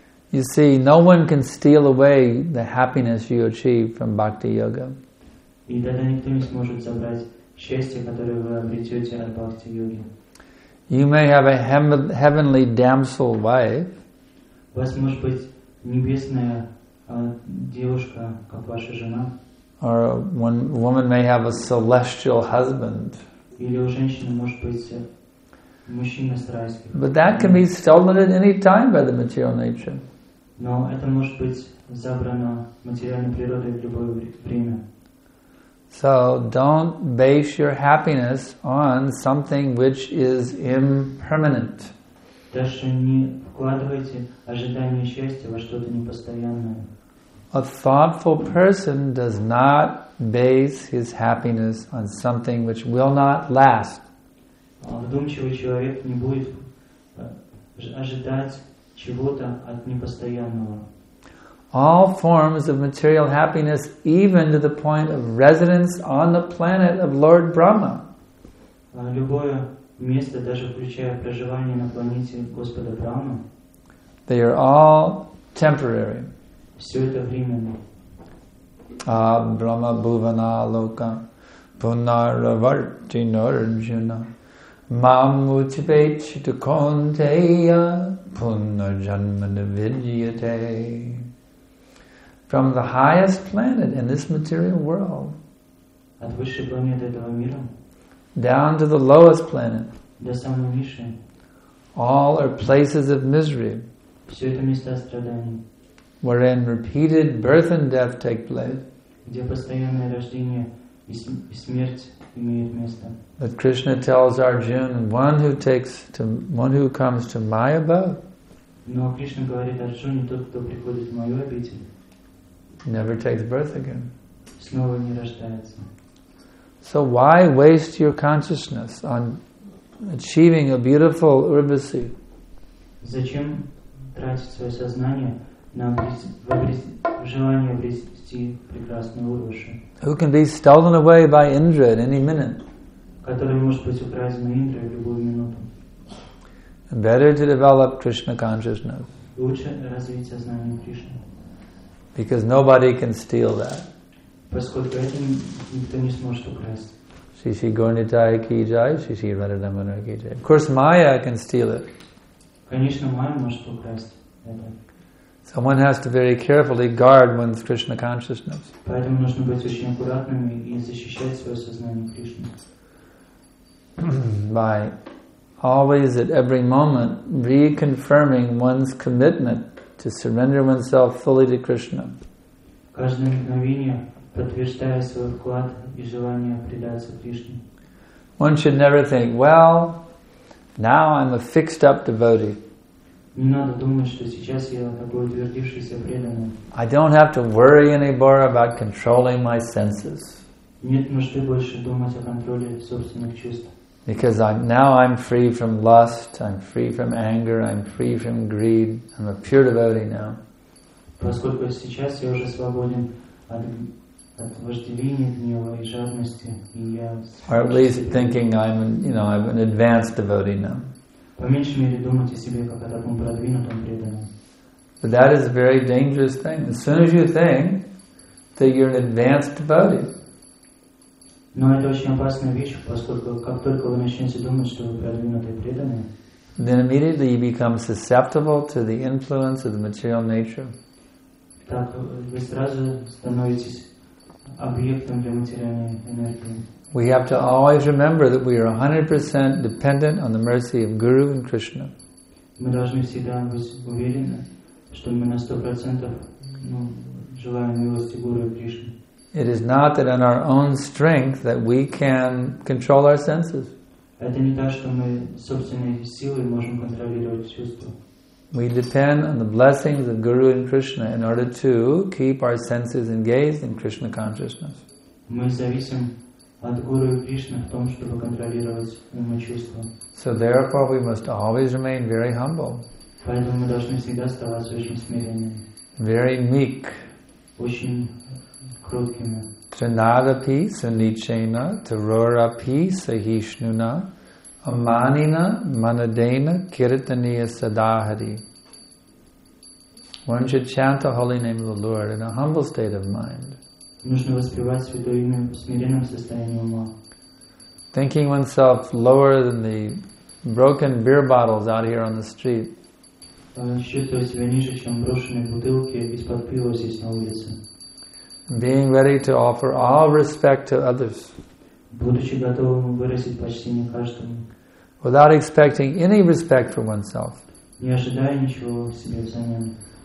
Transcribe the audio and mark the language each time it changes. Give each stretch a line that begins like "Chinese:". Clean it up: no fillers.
English: You see, no one can steal away the happiness you achieve from bhakti yoga.
Russian: И тогда никто не сможет забрать счастье, которое вы обретете от бхакти йоги.
English: You may have a heavenly damsel wife.
Russian: У вас может быть небесная девушка, как ваша жена.
English: Or one woman may have a celestial husband.
Russian: Или у женщины может быть мужчина страсти.
English: But that can be stolen at any time by the material nature.
Russian: Но это может быть забрано материальной природой в любое время.
English: So don't base your happiness on something which is impermanent.
Russian: Даже не вкладывайте ожидание счастья во что-то непостоянное.
English: A thoughtful person does not base his happiness on something which will not last.
Russian: Вдумчивый человек не будет ожидать чего-то от непостоянного.
English: All forms of material happiness, even to the point of residence on the planet of Lord Brahma.
Russian: Любое место, даже включая проживание на планете Господа Брахмы.
English: They are all temporary.
Russian: Все это временно.
Sanskrit: Абрама Бхувана Лока Пунаравартина Арджуна Мам Учипечита Контея Пунаджанмана Видьяте.
English: From the highest planet in this material world,
Russian: от высшей планеты этого мира,
English: down to the lowest planet,
Russian: до самой низшей,
English: all are places of misery,
Russian: все это места страданий,
English: wherein repeated birth and death take place,
Russian: где постоянное рождение и смерть имеют место.
English: But Krishna tells Arjuna, one who comes to my abode,
Russian: но Кришна говорит Арджуне, тот, кто приходит в мою обитель,
English: never takes birth again.
Russian: Снова не рождается.
English: So why waste your consciousness on achieving a beautiful urvasi?
Russian: Зачем тратить свое сознание на желание обрести прекрасную урвашу?
English: Who can be stolen away by Indra at any minute?
Russian: Которая может быть украдена Индрой в любую минуту.
English: Better to develop Krishna consciousness.
Russian: Лучше развить сознание Кришны.
English: Because nobody can steal that.
Russian: Поскольку это никто не сможет украсть.
Sanskrit: Шиши Горнитая ки джай, Шиши Радарамана ки джай.
English: Of course, Майя can steal it.
Russian: Конечно, Майя может украсть это.
English: So one has to very carefully guard one's Krishna consciousness.
Russian: Поэтому нужно быть очень аккуратным и защищать свое сознание Кришны.
English: By always at every moment reconfirming one's commitment to surrender oneself fully to Krishna.
Russian: Каждое мгновение подтверждая свой вклад и желание предаться Кришне.
English: One should never think, well, now I'm a fixed up devotee.
Russian: Не надо думать, что сейчас я такой утвердившийся преданный.
English: I don't have to worry anymore about controlling my senses.
Russian: Нет нужды больше думать о контроле собственных чувств.
English: Because I'm free from lust, I'm free from anger, I'm free from greed, I'm a pure devotee now.
Russian: Поскольку сейчас я уже свободен от вожделения гнева и жадности, и я
English: or at least thinking I'm an advanced devotee now.
Russian: По меньшей мере думать о себе как о таком продвинутом преданном.
English: But that is a very dangerous thing. As soon as you think that you're an advanced devotee.
Russian: Но это очень опасная вещь, поскольку как только вы начнете думать, что вы продвинутый преданный,
English: then immediately you become susceptible to the influence of the material nature.
Russian: Так вы сразу становитесь объектом для материальной энергии.
English: We have to always remember that we are 100% dependent on the mercy of Guru and Krishna.
Russian: Мы должны всегда быть уверены, что мы на 100% желаем милости Гуру и Кришны.
English: It is not that in our own strength that we can control our senses.
Russian: Это не так, что мы собственной силой можем контролировать чувства.
English: We depend on the blessings of Guru and Krishna in order to keep our senses engaged in Krishna consciousness.
Russian: Мы зависим от Гуру и Кришны в том, чтобы контролировать ум и чувства.
English: So therefore we must always remain very humble.
Russian: Поэтому мы должны всегда оставаться очень смиренными.
English: Very meek.
Russian: Очень кроткими.
Sanskrit: Tranadapi sanichena tarorapi sahishnuna amanina manadena kirtaniya sadahari.
English: One should chant the holy name of the Lord in a humble state of mind.
Russian: Нужно воспевать святое имя в смиренном состоянии ума.
English: Thinking oneself lower than the broken beer bottles out here on the street.
Russian: Считывая себя ниже, чем брошенные бутылки из-под пива здесь на улице.
English: Being ready to offer all respect to others.
Russian: Будучи готовым выразить почтение каждому.
English: Without expecting any respect for oneself.
Russian: Не ожидая ничего себе взамен.